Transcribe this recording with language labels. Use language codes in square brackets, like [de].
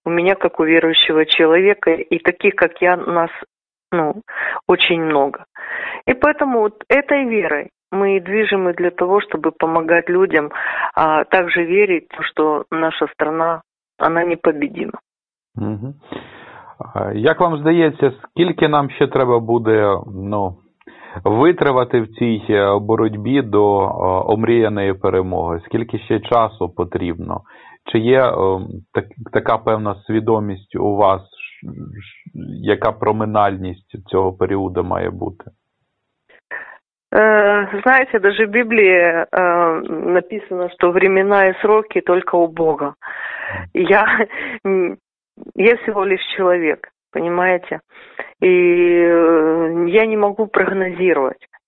[ru] У меня, как у верующего человека, и таких, как я, нас, ну, очень много. И поэтому вот этой верой мы и движимы для того, чтобы помогать людям, а также верить, что наша страна, она непобедима. Угу. [uk] Як вам здається, скільки нам ще треба буде, ну, витривати в цій боротьбі до омріяної перемоги? Скільки ще часу потрібно? Чи є така певна свідомість у вас, яка проминальність цього періоду має бути? [ru] Знаете, даже в Библии написано, что времена и сроки только у Бога. Я всего лишь человек, понимаете? И я не могу прогнозировать.